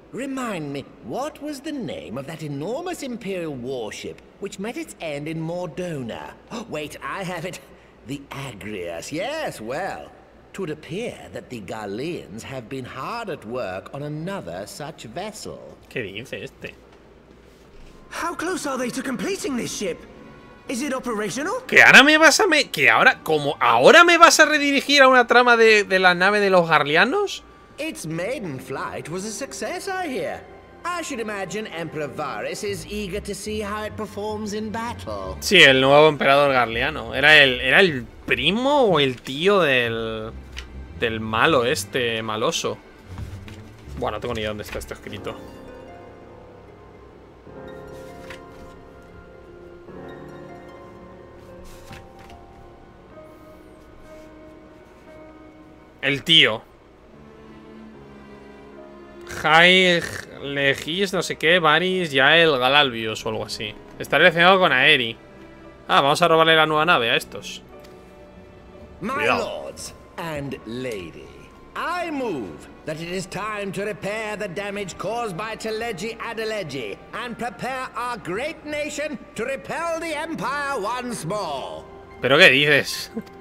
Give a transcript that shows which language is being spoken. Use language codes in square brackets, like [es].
[en] Remind me, what was the name of that enormous imperial warship which met its end in Mordona? Wait, I have it. The Agrius. Yes, well, 'twould appear that the Galleans have been hard at work on another such vessel. [es] ¿Qué dice este? [en] How close are they to completing this ship? Is it operational? [es] Que ahora me vas a me... Que ahora, como ahora me vas a redirigir a una trama de la nave de los Garlianos. [en] Its maiden flight was a success, I hear. I should imagine Emperor Varys is eager to see how it performs in battle. [es] Sí, el nuevo emperador Garliano. Era el primo o el tío del malo este, maloso. Bueno, no tengo ni idea dónde está esto escrito. El tío. Haig Legis, no sé qué, Varys, Yael, Galalbius o algo así. Está relacionado con Aeri. Ah, vamos a robarle la nueva nave a estos. [en] My lords and lady, I move that it is time to repair the damage caused by Teleji Adeleji and prepare our great nation to repel the Empire once more. [es] ¿Pero qué dices?